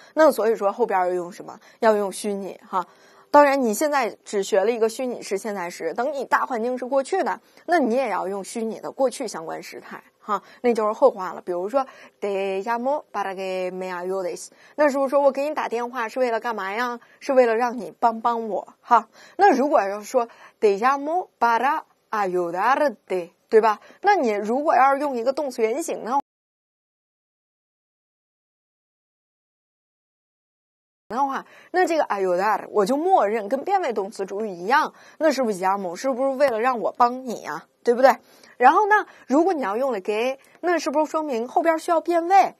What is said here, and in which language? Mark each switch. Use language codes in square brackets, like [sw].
[zh] 那所以说后边要用什么？要用虚拟哈。当然你现在只学了一个虚拟式现在时，等你大环境是过去的，那你也要用虚拟的过去相关时态哈，那就是后话了。比如说 [es] te llamo para que me ayudes， [zh] 那是不是说我给你打电话是为了干嘛呀？是为了让你帮帮我哈。那如果要说 [es] te llamo para ayudarte， [zh] 对吧？那你如果要是用一个动词原形呢的话，那这个 ayudar 我就默认跟变位动词主语一样，那是不是 llamo 是不是为了让我帮你啊，对不对？然后呢如果你要用了 给， 那是不是说明后边需要变位？